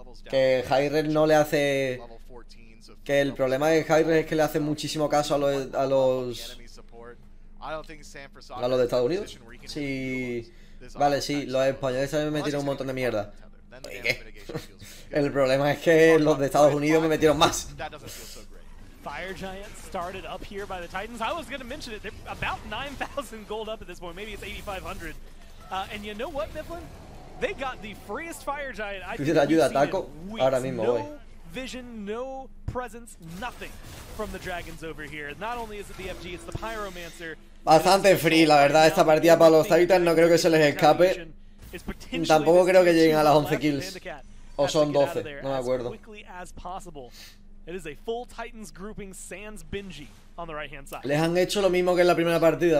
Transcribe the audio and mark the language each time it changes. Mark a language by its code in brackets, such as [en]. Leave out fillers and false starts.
[es] Que hi-rez no le hace... Que el problema de hi-rez es que le hace muchísimo caso a los de Estados Unidos. Sí. Vale, sí, los españoles también me metieron un montón de mierda. ¿Qué? El problema es que los de Estados Unidos me metieron más. [en] Fire Giant started up here by the Titans. I was going to mention it. They're about 9,000 gold up at this point. Maybe it's 8,500. And you know what, Mifflin? They got the freest Fire Giant. [es] Ayuda, Taco. Ahora mismo voy. [en] Vision, no presence, nothing from the dragons over here. Not only is it the FG, it's the Pyromancer. [es] Bastante free, la verdad, esta partida para los Titans no creo que se les escape. Tampoco creo que lleguen a las 11 kills. O son 12, no me acuerdo. Les han hecho lo mismo que en la primera partida,